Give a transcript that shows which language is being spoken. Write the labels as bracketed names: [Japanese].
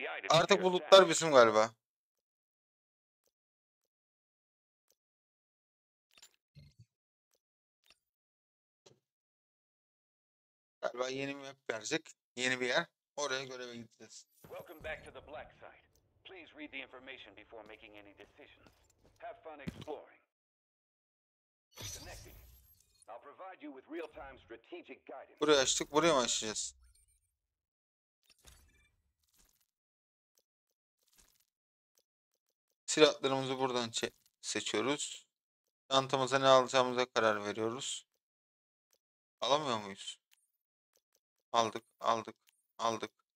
[Turkish] Artık bulutlar bizim galiba. Galiba yeni bir yer verecek. Yeni bir yer. Oraya göreve gideceğiz. [English] Welcome back to the black side. Please read the information before making any decisions. Have fun exploring. I'll provide you with real-time strategic guidance. [Turkish] Burayı açtık, buraya mı açacağız? Silahlarımızı buradan seçiyoruz. Çantamıza ne alacağımıza karar veriyoruz. Alamıyor muyuz? Aldık, aldık, aldık.